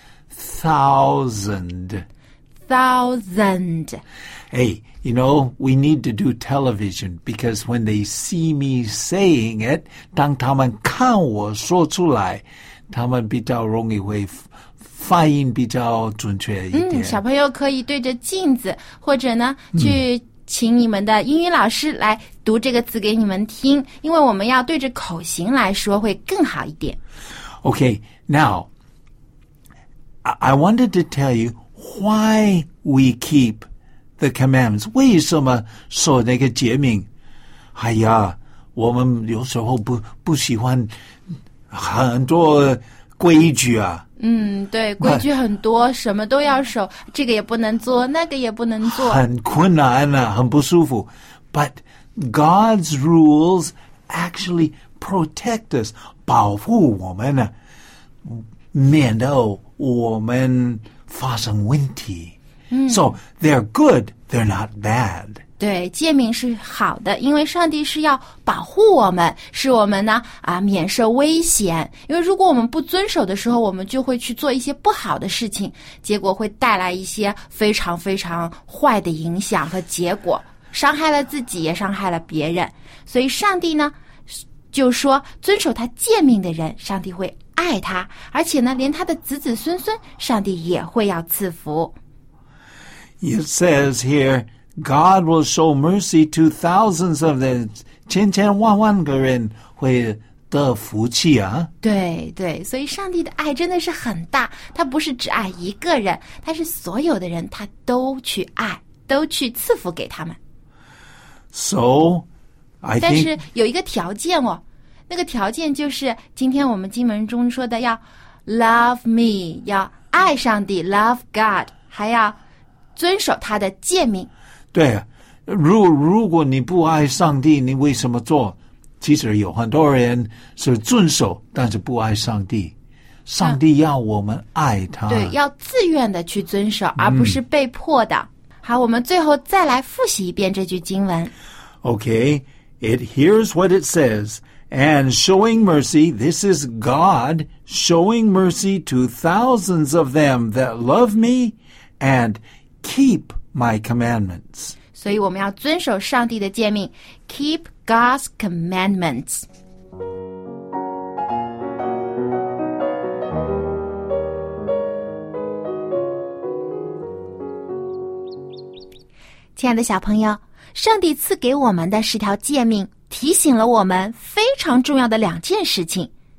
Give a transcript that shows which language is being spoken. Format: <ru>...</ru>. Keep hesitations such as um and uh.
<en>Thousand. Thousand hey, you know, we need to do television because when they see me saying it,</en> <zh>当他们看我说出来,他们比较容易会发音比较准确一点。嗯，小朋友可以对着镜子，或者呢，去请你们的英语老师来读这个词给你们听，因为我们要对着口型来说会更好一点。</zh> <en>Okay, now I, I wanted to tell you why we keep the commandments，</en> <zh>为什么守那个诫命？哎呀，我们有时候不不喜欢很多规矩啊。嗯，对，规矩很多，什么都要守，这个也不能做，那个也不能做，很困难啊，很不舒服。</zh> <en>But God's rules actually protect us，</en> <zh>保护我们呢、啊，免得我们发生问题。嗯。</zh> <en>So they're good, they're not bad.、嗯、</en> <zh>对诫命是好的，因为上帝是要保护我们，使我们呢啊免受危险。因为如果我们不遵守的时候，我们就会去做一些不好的事情，结果会带来一些非常非常坏的影响和结果，伤害了自己，也伤害了别人。所以上帝呢就说，遵守他诫命的人，上帝会爱他，而且呢，连他的子子孙孙，上帝也会要赐福。</zh> <en>It says here, God will show mercy to thousands of them.</en> <zh>千千万万个人会得福气啊！对对，所以上帝的爱真的是很大，他不是只爱一个人，他是所有的人，他都去爱，都去赐福给他们。</zh> <en>So, I. Think,</en> <zh>但是有一个条件哦，那个条件就是今天我们经文中说的要</zh> <en>love me，</en> <zh>要爱上帝，</zh> <en>love God，</en> <zh>还要遵守他的诫命。对，如如果你不爱上帝，你为什么做？其实有很多人是遵守，但是不爱上帝。上帝要我们爱他，嗯、对，要自愿的去遵守，而不是被迫的。嗯、好，我们最后再来复习一遍这句经文。</zh> <en>Okay,</en> <zh>如果,</zh> <en>it hears what it says, and showing mercy. This is God showing mercy to thousands of them that love me, and Keep my commandments。</en> <zh>所以我们要遵守上帝的诫命。</zh> <en>Keep God's commandments。</en> <zh>亲爱的小朋友，上帝赐给我们的十条诫命，提醒了我们非常重要的两件事情。</zh>